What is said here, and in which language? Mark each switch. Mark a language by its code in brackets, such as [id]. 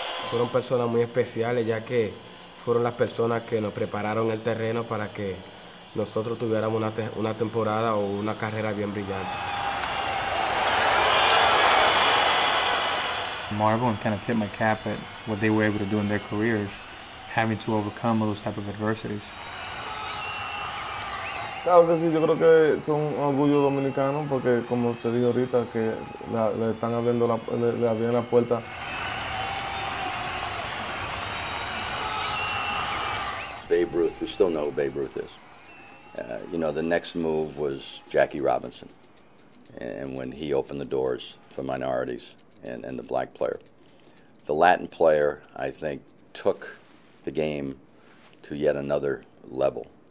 [es] Fueron personas muy especiales, ya que fueron las personas que nos prepararon el terreno para que nosotros tuviéramos una temporada o una carrera bien brillante. [en] Marvel and kind of tip my cap at what they were able to do in their careers, having to overcome all those type of adversities. [es] Claro que sí, yo creo que son orgullo dominicano porque, como te dije ahorita, que le están abriendo la puerta. [en] Babe Ruth, we still know who Babe Ruth is. You know, the next move was Jackie Robinson. And when he opened the doors for minorities and the black player. The Latin player, I think, took the game to yet another level.